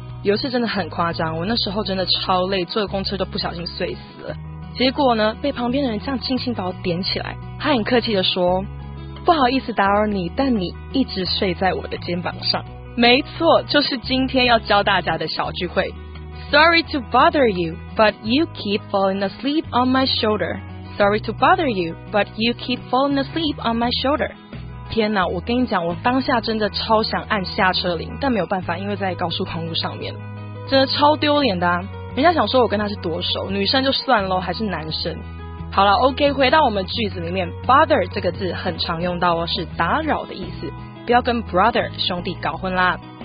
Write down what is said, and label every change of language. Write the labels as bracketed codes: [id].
[zh] 有一次真的很夸张，我那时候真的超累，坐公车都不小心睡死了。结果呢，被旁边的人这样轻轻把我点起来，他很客气的说。不好意思打扰你，但你一直睡在我的肩膀上。没错，就是今天要教大家的小聚会。 [en] Sorry to bother you, but you keep falling asleep on my shoulder. Sorry to bother you, but you keep falling asleep on my shoulder. [zh] 天哪，我跟你讲，我当下真的超想按下车铃，但没有办法，因为在高速公路上面，真的超丢脸的啊。人家想说我跟他是多熟，女生就算咯，还是男生。好了 ，OK， 回到我们句子里面 ，bother 这个字很常用到哦，是打扰的意思，不要跟 brother 兄弟搞混啦。